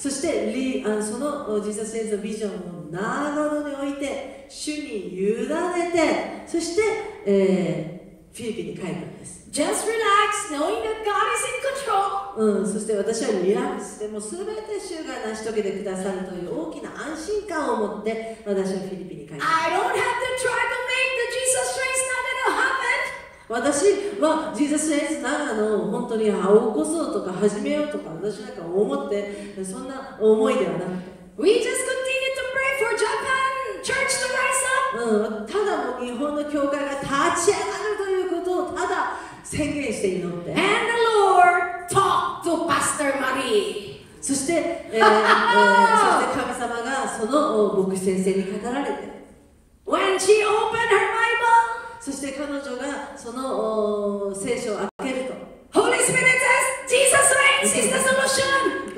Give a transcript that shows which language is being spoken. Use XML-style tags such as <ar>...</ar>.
<ja>そしてそのジーザス・レイズのビジョンを長野に置いて主に委ねてそして、フィリピンに帰るんです</ja> <en>Just relax knowing that God is in control、</en> <ja>そして私はリラックスでも全て主が成し遂げてくださるという大きな安心感を持って私はフィリピンに帰る</ja> <en>I don't have to try to make the Jesus race not gonna happen</en> <ja>私はジーザス・レイズ長野を本当に起こそうとか始めようとか私なんか思ってそんな思いではなくて</ja> <en>We just continue to pray for Japan church to rise up、</en> <ja>ただもう日本の教会が立ち上がるということをただ宣言して祈って</ja> <en>And the Lord talk to Pastor Marie</en> <ja>そして、そして神様がその牧師先生に語られて</ja> <en>When she opened her Bible</en> <ja>そして彼女がその聖書を開けると</ja> <en>Holy Spirit says Jesus reigns is the solution</en>